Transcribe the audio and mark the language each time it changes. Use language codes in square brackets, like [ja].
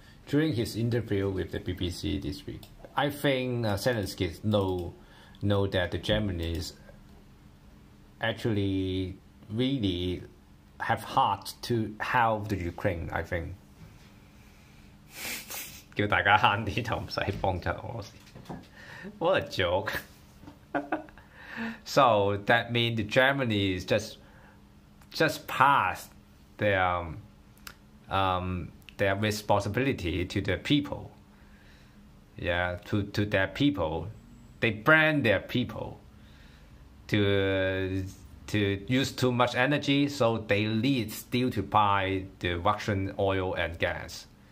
[en] During his interview with the BBC this week, I think Zelensky know that the Germans actually really have heart to help the Ukraine, I think. [yue] 叫大家慳啲就唔使幫襯俄羅斯。 [en] What a joke. So that means the Germany is just passed their responsibility to the people. Yeah, to their people. They brand their people to use too much energy, so they need still to buy the Russian oil and gas.